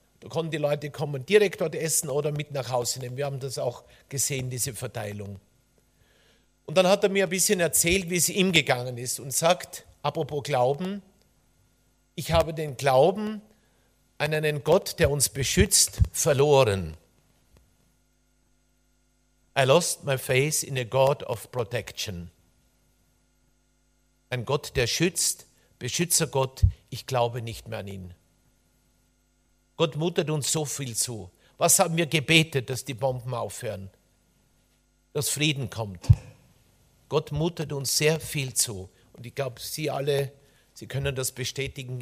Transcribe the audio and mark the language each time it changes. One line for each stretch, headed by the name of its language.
German: Da konnten die Leute kommen, direkt dort essen oder mit nach Hause nehmen. Wir haben das auch gesehen, diese Verteilung. Und dann hat er mir ein bisschen erzählt, wie es ihm gegangen ist, und sagt, apropos Glauben, ich habe den Glauben an einen Gott, der uns beschützt, verloren.
English: I lost my faith in a God of protection.
German: Ein Gott, der schützt, beschützer Gott, ich glaube nicht mehr an ihn. Gott mutet uns so viel zu. Was haben wir gebetet, dass die Bomben aufhören? Dass Frieden kommt. Gott mutet uns sehr viel zu. Und ich glaube, Sie alle, Sie können das bestätigen.